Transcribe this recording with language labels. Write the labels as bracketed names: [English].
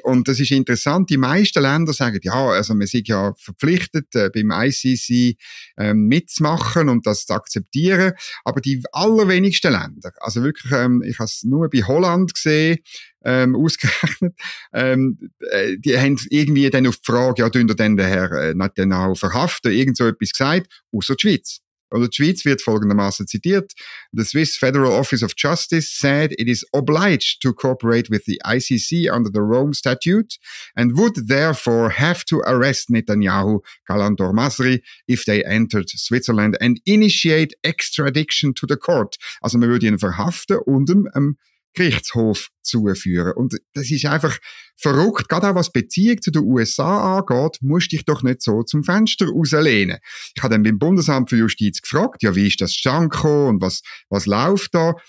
[German] Und das ist interessant, die meisten Länder sagen, ja, also wir sind ja verpflichtet, beim ICC mitzumachen und das zu akzeptieren, aber die allerwenigsten Länder, also wirklich, ich habe es nur bei Holland gesehen, ausgerechnet, die haben irgendwie dann auf die Frage, ja, tun denn den Herr Netanyahu verhaften, irgend so etwas gesagt, außer die Schweiz. Oder die Schweiz wird folgendermaßen zitiert. [English] The Swiss Federal Office of Justice said it is obliged to cooperate with the ICC under the Rome Statute and would therefore have to arrest Netanyahu, Gallant or Masri if they entered Switzerland and initiate extradition to the court. [German] Also man würde ihn verhaften und einem Gerichtshof zuführen. Und das ist einfach verrückt. Gerade auch was Beziehung zu den USA angeht, musst du dich doch nicht so zum Fenster rauslehnen. Ich habe dann beim Bundesamt für Justiz gefragt, ja, wie ist das Schanko und was läuft da?